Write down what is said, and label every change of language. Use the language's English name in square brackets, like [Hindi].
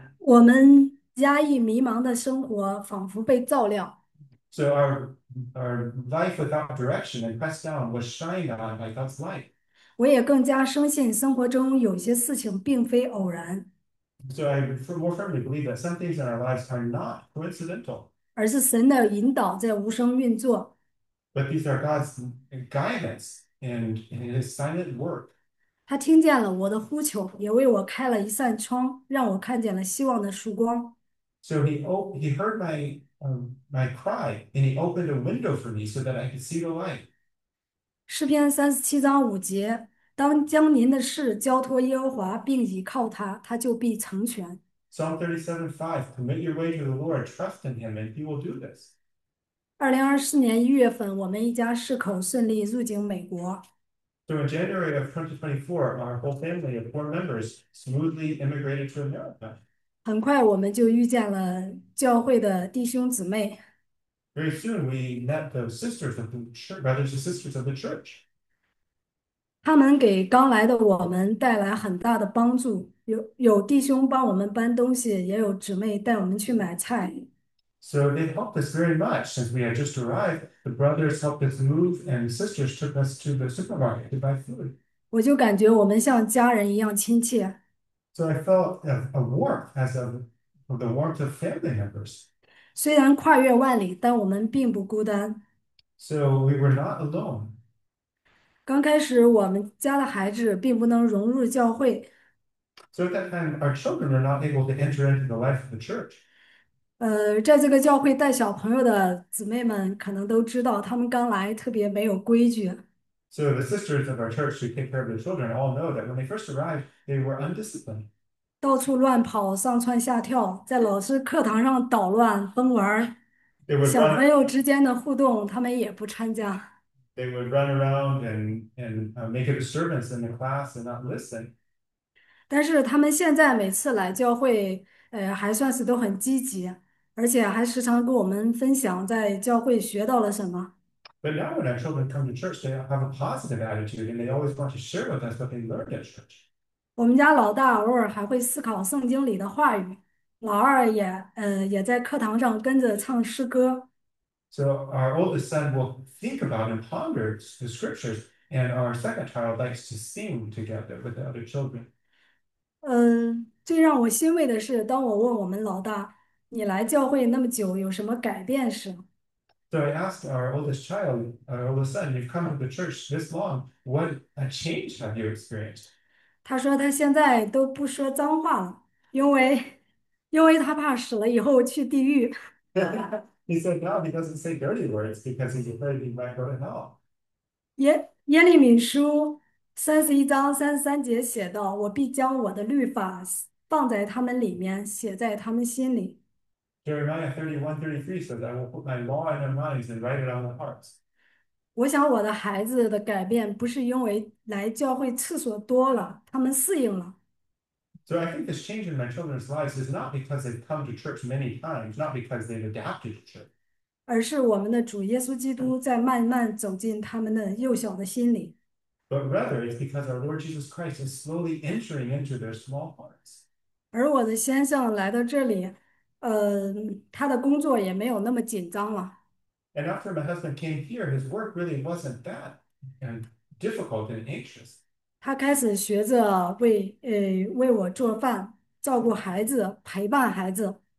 [Chinese] 我们压抑迷茫的生活仿佛被照亮。 [English] So our life without direction and pressed down was shined on by God's light. [Chinese] 我也更加深信生活中有些事情并非偶然， [English] So I more firmly believe that some things in our lives are not coincidental. [Chinese] 而是神的引导在无声运作。 [English] But these are God's guidance and His silent work. [Chinese] 他听见了我的呼求，也为我开了一扇窗，让我看见了希望的曙光。 [English] So he heard my cry, and he opened a window for me so that I could see the light. [Chinese] 诗篇37章5节，当将您的事交托耶和华，并倚靠他，他就必成全。 [English] Psalm 37:5, commit your way to the Lord, trust in Him, and He will do this. [Chinese] 2024年1月份，我们一家四口顺利入境美国。 [English] So in January of 2024, our whole family of four members smoothly immigrated to America. [Chinese] 很快，我们就遇见了教会的弟兄姊妹。 [English] Very soon we met the sisters of the church, brothers and sisters of the church. [Chinese] 他们给刚来的我们带来很大的帮助，有弟兄帮我们搬东西，也有姊妹带我们去买菜。 [English] So they helped us very much since we had just arrived. The brothers helped us move, and the sisters took us to the supermarket to buy food. [Chinese] 我就感觉我们像家人一样亲切。 [English] So I felt a warmth as of the warmth of family members. [Chinese] 虽然跨越万里，但我们并不孤单。 [English] So we were not alone. [Chinese] 刚开始，我们家的孩子并不能融入教会。 [English] So at that time, our children were not able to enter into the life of the church. [Chinese] 在这个教会带小朋友的姊妹们可能都知道，他们刚来特别没有规矩。 [English] So the sisters of our church who take care of the children all know that when they first arrived, they were undisciplined. [Chinese] 到处乱跑，上蹿下跳，在老师课堂上捣乱，疯玩儿。小朋友之间的互动，他们也不参加。 [English] They would run around and make a disturbance in the class and not listen. [Chinese] 但是他们现在每次来教会，还算是都很积极，而且还时常跟我们分享在教会学到了什么。 [English] But now when our children come to church, they have a positive attitude and they always want to share with us what they learned at church. [Chinese] 我们家老大偶尔还会思考圣经里的话语，老二也在课堂上跟着唱诗歌。 [English] So our oldest son will think about and ponder the scriptures, and our second child likes to sing together with the other children. [Chinese] 最让我欣慰的是，当我问我们老大：“你来教会那么久，有什么改变时 [English] So I asked our oldest son, you've come to the church this long, what a change have you experienced? ？” [Chinese] 他说他现在都不说脏话了，因为他怕死了以后去地狱。 [English] He said, no, he doesn't say dirty words because he's afraid he might go to hell. [Chinese] 耶利米书31:33写道：“我必将我的律法放在他们里面，写在他们心里。 [English] Jeremiah 31:33 says, I will put my law in their minds and write it on their hearts. [Chinese] 我想我的孩子的改变不是因为来教会次数多了，他们适应了。 [English] So I think this change in my children's lives is not because they've come to church many times, not because they've adapted to church. [Chinese] 而是我们的主耶稣基督在慢慢走进他们的幼小的心里。 [English] But rather, it's because our Lord Jesus Christ is slowly entering into their small hearts. [Chinese] 而我的先生来到这里，他的工作也没有那么紧张了。 [English] And after my husband came here, his work really wasn't that difficult and anxious. [Chinese] 他开始学着为我做饭、照顾孩子、陪伴孩子。